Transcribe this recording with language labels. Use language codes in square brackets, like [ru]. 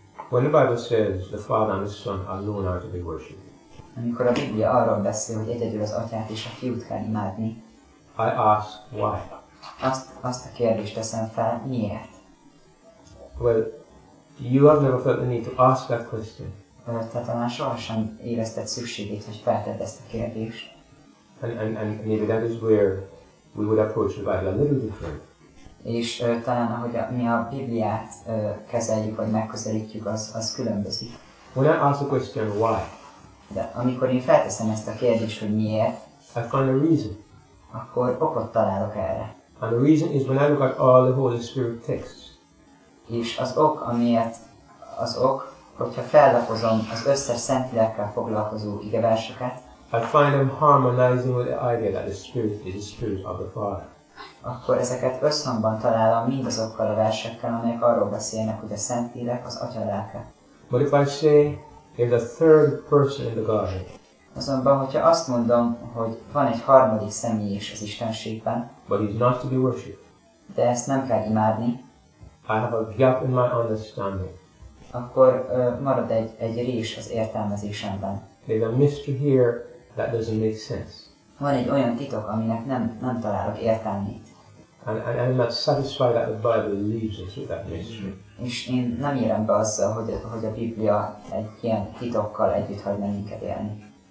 [en] When the Bible says the Father and the Son alone are to be worshipped, [hu] amikor a Biblia arról beszél, hogy egyedül az Atyát és a Fiút kell imádni, [en] I ask why. [hu] Azt a kérdést teszem fel, miért? [en] Well, you have never felt the need to ask that question. [hu] Te talán sohasem érezted szükségét, hogy feltedd ezt a kérdést. [en] And maybe that is where we would approach the Bible a little different. [hu] És talán ahogy mi a Bibliát kezeljük, vagy megközelítjük, az különbözik. [en] When I ask the question why, [hu] de amikor én felteszem ezt a kérdést, hogy miért, [en] I find a reason. [hu] Akkor okot találok erre. [en] And the reason is when I look at all the Holy Spirit texts. [hu] És az ok, amiért az ok, hogyha fellapozom az összes Szentlélekkel foglalkozó igeverseket, [en] I find them harmonizing with the idea that the Spirit is the Spirit of the Father. [hu] Akkor ezeket összhangban találom mindazokkal a versekkel, amelyek arról beszélnek, hogy a Szentlélek az Atya lelke. [en] But if I say in the third person in the Godhead, [hu] azonban, hogyha azt mondom, hogy van egy harmadik személy is az Istenségben, [en] but it's not to be worshipped, [hu] de ezt nem kell imádni, [en] I have a gap in my understanding, [hu] akkor marad egy rés az értelmezésemben. [en] There's a mystery here that doesn't make sense. [hu] Van egy olyan titok, aminek nem találok értelmét. [en] And I'm not satisfied that the Bible leaves us with that mystery. [hu] És én nem érem be azzal, hogy a Biblia egy ilyen titokkal együtt hagy minket élni.